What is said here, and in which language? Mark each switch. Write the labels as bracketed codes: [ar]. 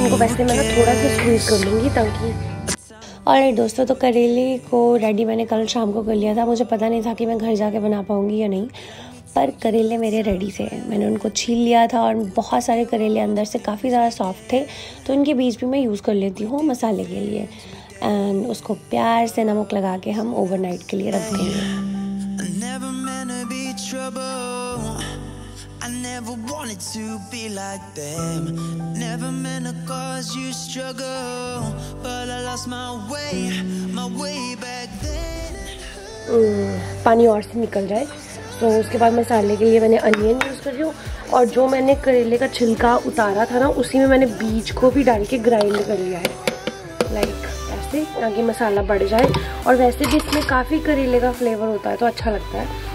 [hi] इनको वैसे मैं थोड़ा सा स्क्वीज कर लूँगी ताकि। और दोस्तों, तो करेले को रेडी मैंने कल शाम को कर लिया था, मुझे पता नहीं था कि मैं घर जाके बना पाऊँगी या नहीं, पर करेले मेरे रेडी थे, मैंने उनको छील लिया था और बहुत सारे करेले अंदर से काफ़ी ज़्यादा सॉफ्ट थे तो इनके बीज भी मैं यूज़ कर लेती हूँ मसाले के लिए। एंड उसको प्यार से नमक लगा के हम ओवरनाइट के लिए रख देंगे। [en] never wanted to be like them. Never meant to cause you struggle, but I lost my way back then. [hi] Pani aur se nikal jaye. तो उसके बाद मैं साले के लिए मैंने अनियन यूज़ कर रही हूँ, और जो मैंने करेले का छिलका उतारा था ना उसी में मैंने बीज को भी डाल के ग्राइंड कर लिया है लाइक ऐसे, ताकि मसाला बढ़ जाए. और वैसे भी इसमें काफ़ी करेले का फ्लेवर होता है तो अच्छा लगता है.